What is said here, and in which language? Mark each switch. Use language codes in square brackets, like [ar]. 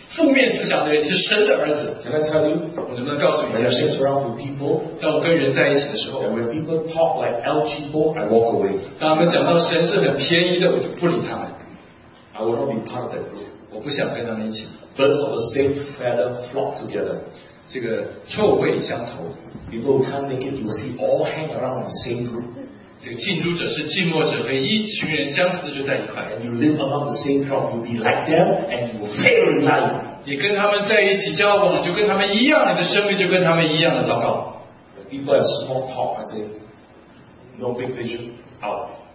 [zh] 你是神的孩子，你不要像街上的人一样，他们都谈到失败，谈到痛苦，谈到什么，你不是那样的负面思想的人，你是神的儿子。 [en] Can I tell you? [zh] 我能不能告诉你？ [en] When I mix around with people, [zh] 当我跟人在一起的时候， [en] and when people talk like El Chibo, I walk away. [zh] 当他们讲到神是很便宜的，我就不理他们。 [en] I will not be part of that group. [zh] 我不想跟他们一起。 [en] Birds of the same feather flock together. [zh] 这个臭味相投。 [en] People who can't make it, you see all hang around the same group. [zh] 这个近朱者是近墨者非，一群人相似的就在一块。 [en] And you live among the same crowd, you'll be like them, and you will fail in life. [zh] 你跟他们在一起交往，就跟他们一样，你的生命就跟他们一样的糟糕。 [en] People have small talk, I say, no big vision, out.